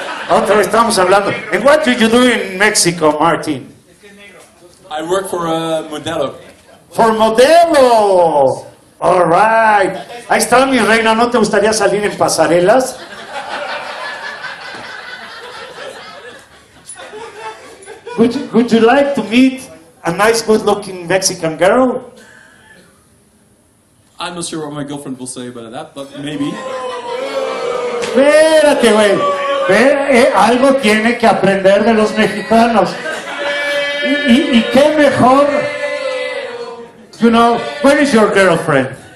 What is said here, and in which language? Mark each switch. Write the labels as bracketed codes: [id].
[es] Otra vez estamos hablando. [en] And what do you do in Mexico, Martin? I work for a Modelo. For Modelo! All right. [es] Ahí está mi reina, ¿no te gustaría salir en pasarelas? [en] Would you like to meet a nice, good-looking Mexican girl? I'm not sure what my girlfriend will say about that, but maybe. [es] Espérate, güey. Algo tiene que aprender de los mexicanos. ¿Y qué mejor? [en] You know, where is your girlfriend?